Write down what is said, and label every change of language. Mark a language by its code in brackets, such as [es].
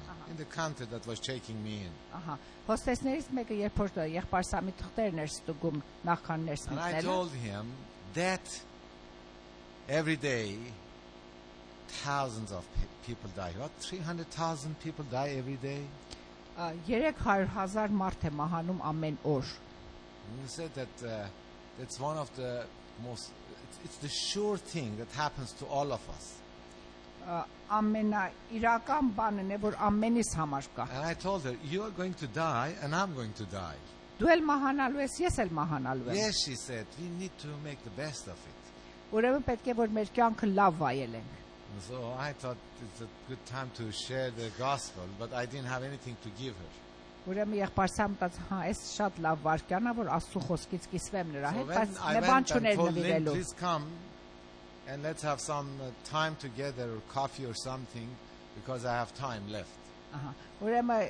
[en] In the counter that was checking me in. And I told him that every day thousands of people die. What, 300,000 people die every day? [hy] 300,000 մարդ է մահանում ամեն օր. [en] He said that that's one of the most, it's the sure thing that happens to all of us. [hy] Ամենաիրական բանը է, որ ամենիս համար կա. [en] And I told her, you are going to die and I'm going to die. [hy] Դու էլ մահանալու ես, ես էլ մահանալու եմ. [en] Yes, she said, we need to make the best of it. [hy] Ուրեմն պետք է, որ մեր կյանքը լավ վայելենք. [en] So I thought it's a good time to share the gospel, but I didn't have anything to give her. So when I thought, please come and let's have some time together, or coffee or something, because I have time left.